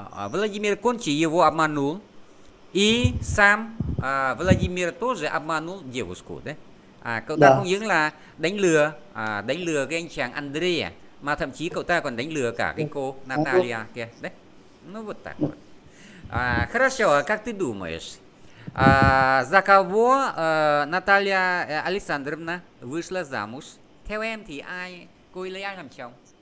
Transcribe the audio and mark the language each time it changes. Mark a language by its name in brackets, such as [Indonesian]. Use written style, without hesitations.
[Russian] Владимир Кончер его обманул. И сам Владимир тоже обманул девушку, да? [Vietnamese] À, cậu ta không những là đánh lừa cái anh chàng Andrea, mà thậm chí cậu ta còn đánh lừa cả cái cô Natalia kia, đấy. [Russian] Ну вот так. А, хорошо, как ты думаешь? А, за кого Наталья Александровна вышла замуж? [Vietnamese] Theo em thì ai, cô ấy lấy ai làm chồng?